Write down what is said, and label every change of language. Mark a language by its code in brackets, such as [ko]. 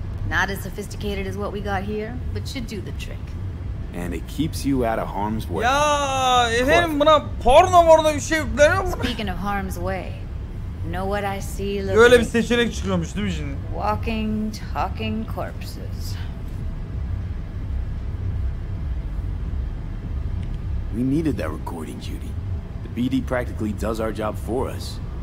[en] Not as sophisticated as what we got here, but should do the trick. And it keeps you out of harm's way. [tr] Ya, efendim buna porno morno bir şey yüklerim. [en] Speaking of harm's way, know what I see looking... [tr] Öyle bir seçenek çıkıyormuş değil mi şimdi? [en] Walking, talking corpses. We needed that recording, Judy. The BD practically does our job for us.